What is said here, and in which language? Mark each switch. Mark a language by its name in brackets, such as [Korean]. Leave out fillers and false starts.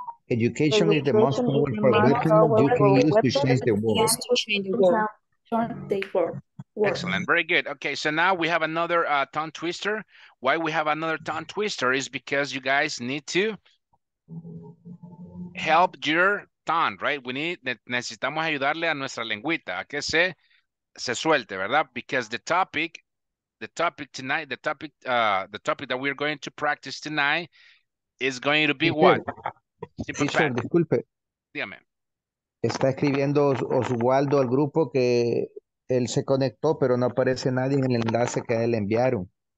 [English] Education is the most powerful weapon you can use to change the world. Excellent. Very good. Okay, so now we have another tongue twister. Why we have another tongue twister is because you guys need to help your [Spanish] están, right? [English] We need, [Spanish] necesitamos ayudarle a nuestra lengüita, a que se suelte, ¿verdad? [English] Because the topic that we're going to practice tonight is going to be what? [Spanish] Teacher, disculpe. Dígame. Está escribiendo Oswaldo al grupo que él se conectó, pero no aparece nadie en el enlace que él enviaron.